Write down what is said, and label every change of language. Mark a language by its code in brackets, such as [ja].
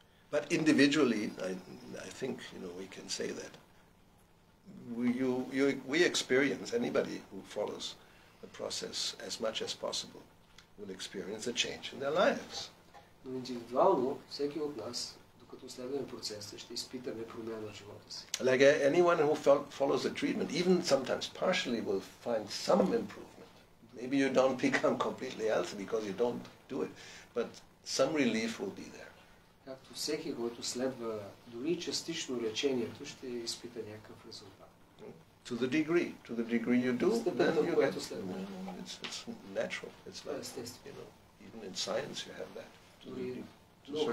[en] But individually, I think, you know, we can say that. We experience, anybody who follows the process as much as possible will experience a change in their lives. [bg] Но индивидуално, всеки от нас, докато следваме процеса, ще изпитаме промяна в живота си. [en] Like anyone who follows the treatment, even sometimes partially, will find some improvement. Maybe you don't become completely healthy because you don't do it, but some relief will be there. [bg] Както всеки, който следва дори частично лечението, ще изпита някакъв резултат. [en] To the degree you do, then you get it. It's natural. It's like, you know, even in science you have that.